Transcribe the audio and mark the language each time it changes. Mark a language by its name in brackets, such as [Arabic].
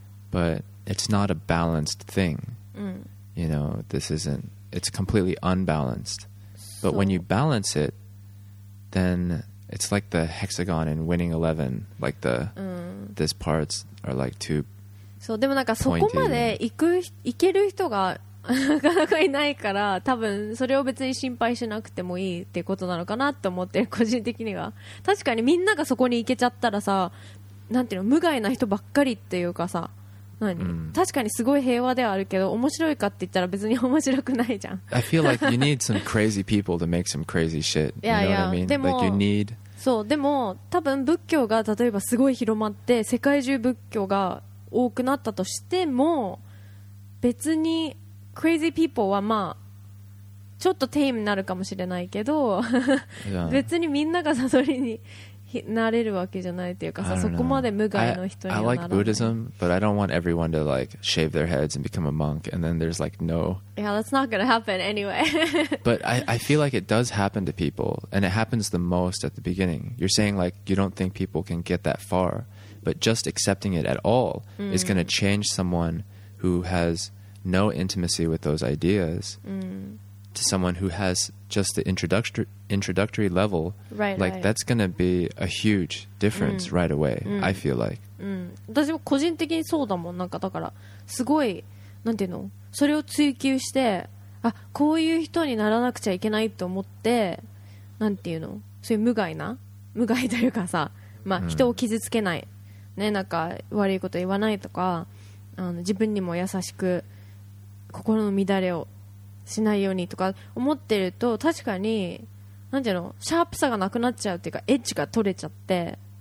[English] But it's not a balanced thing. You know, this isn't, it's completely unbalanced. But when you balance it, then it's like the hexagon in Winning Eleven, like the these parts are like two. [Japanese] そう、でもなんかそこまで行ける人がなかなかいないから、多分それを別に心配しなくてもいいってことなのかなと思って、個人的には。確かにみんながそこに行けちゃったらさ、なんていうの、無害な人ばっかりっていうかさ、何、確かにすごい平和ではあるけど、面白いかって言ったら別に面白くないじゃん。 [English] I feel like you need some crazy people to make some crazy shit. You know what I mean? [Japanese] でも、 [English] like you need... [Japanese] そう、でも多分仏教が例えばすごい広まって、世界中仏教が多くなったとしても、別にクレイジーピーポーはまあちょっとテイムになるかもしれないけど、別にみんなが悟りになれるわけじゃないというかさ、そこまで無害の人にはならない。 [English] I like Buddhism, but I don't want everyone to like shave their heads and become a monk, and then there's like no, yeah, that's not gonna happen anyway. But I feel like it does happen to people, and it happens the most at the beginning. You're saying like you don't think people can get that farBut just accepting it at all is going to change someone who has no intimacy with those ideas to someone who has just the introductory level. Right. That's going to be a huge difference right away, I feel like. [Japanese] 私も個人的にそうだもん。なんかだからすごい、なんていうの、それを追求して、あ、こういう人にならなくちゃいけないと思って、なんていうの、そういう無害というかさ、まあ人を傷つけないね、なんか悪いこと言わないとか、自分にも優しく心の乱れをしないようにとか思ってると、確かに、なんていうの、シャープさがなくなっちゃうっていうか、エッジが取れちゃって、